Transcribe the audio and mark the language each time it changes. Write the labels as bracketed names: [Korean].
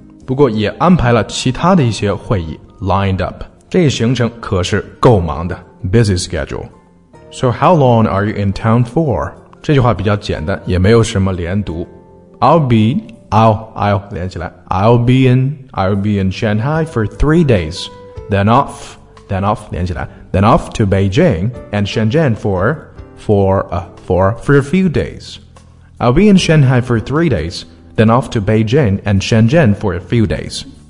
[Chinese] 不过也安排了其他的一些会议 [English] lined up. [Chinese] 这一行程可是够忙的 [English] Busy schedule. So how long are you in town for? [Chinese] 这句话比较简单，也没有什么连读。 [English] I'll [Chinese] 连起来。 [English] I'll be in Shanghai for 3 days, then off [Chinese] 连起来 [English] ，then off to Beijing and Shenzhen for a few days. I'll be in Shanghai for 3 days, then off to Beijing and Shenzhen for a few days.